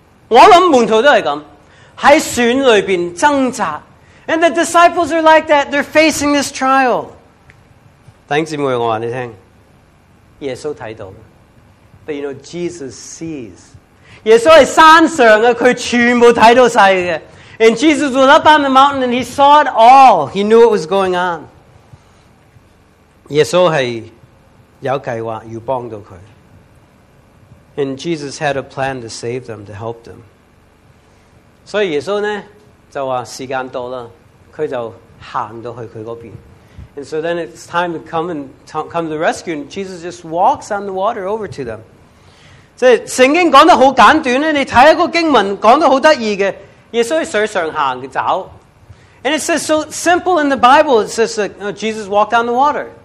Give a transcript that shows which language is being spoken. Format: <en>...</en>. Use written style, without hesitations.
<yue>我谂门徒都系咁，喺选里边挣扎。</yue> <en>And the disciples are like that, they're facing this trial.</en> <yue>弟兄姊妹，我话你听。耶稣睇到，但</yue> <en>you know Jesus sees.</en> <yue>耶稣系山上嘅，佢全部睇到晒嘅。</yue> <en>And Jesus was up on the mountain and he saw it all. He knew what was going on.</en> <yue>耶稣系有计划要帮到佢。</yue> <en>And Jesus had a plan to save them, to help them.</en> <yue>所以耶稣呢就话时间到啦，佢就行到去佢嗰边。</yue> <en>And so then it's time to come and come to the rescue. And Jesus just walks on the water over to them.</en> <yue>即系圣经讲得好简短咧，你睇一个经文讲得好得意嘅。耶稣喺水上行嘅走。</yue> <en>And it says so simple in the Bible. It says that Jesus walked on the water.</en>